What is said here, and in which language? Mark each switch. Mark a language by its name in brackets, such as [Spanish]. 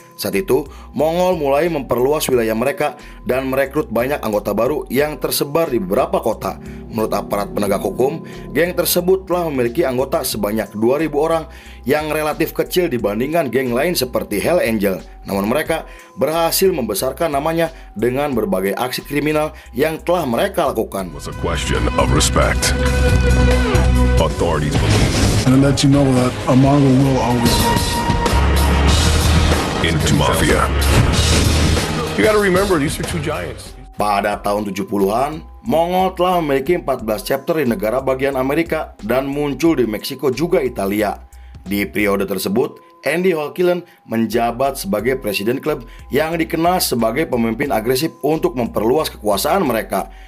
[Indonesian] Saat itu, Mongol mulai memperluas wilayah mereka dan merekrut banyak anggota baru yang tersebar di beberapa kota. Menurut aparat penegak hukum, geng tersebut telah memiliki anggota sebanyak 2.000 orang yang relatif kecil dibandingkan geng lain seperti Hell Angel. Namun mereka berhasil membesarkan namanya dengan berbagai aksi kriminal yang telah mereka lakukan. [English] It was a question of respect. Authorities believe. And let you know that a Mongol will always win. Into mafia. You gotta remember, these are two giants. [Indonesian] Pada tahun 70-an, Mongol telah memiliki 14 chapter di negara bagian Amerika dan muncul di Meksiko juga Italia. Di periode tersebut, Andy Holkillen menjabat sebagai presiden klub yang dikenal sebagai pemimpin agresif untuk memperluas kekuasaan mereka.